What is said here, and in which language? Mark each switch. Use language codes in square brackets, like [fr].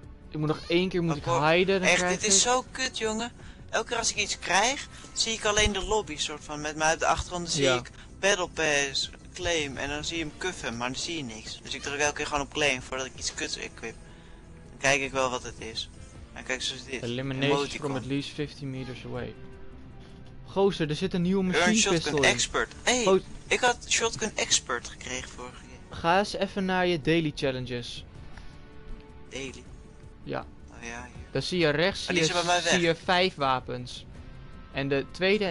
[nl] Ik moet nog 1 keer moet ik hiden. Echt, dit is zo kut, jongen. Elke keer als ik iets krijg, zie ik alleen de lobby soort van. Met mij op de achtergrond zie ik Battle Pass, claim en dan zie je hem cuffen, maar dan zie je niks. Dus ik druk elke keer gewoon op claim voordat ik iets kuts equip. Dan kijk ik wel wat het is. En kijk zoals dit. [en] Eliminate from at least 50 meters away. [nl] Gozer, er zit een nieuwe machine pistol. Shotgun expert. Hey, ik had shotgun expert gekregen vorige keer. Ga eens even naar je daily challenges. Daily? Ja. Oh ja, dan zie je rechts zie je 5 wapens. En de tweede en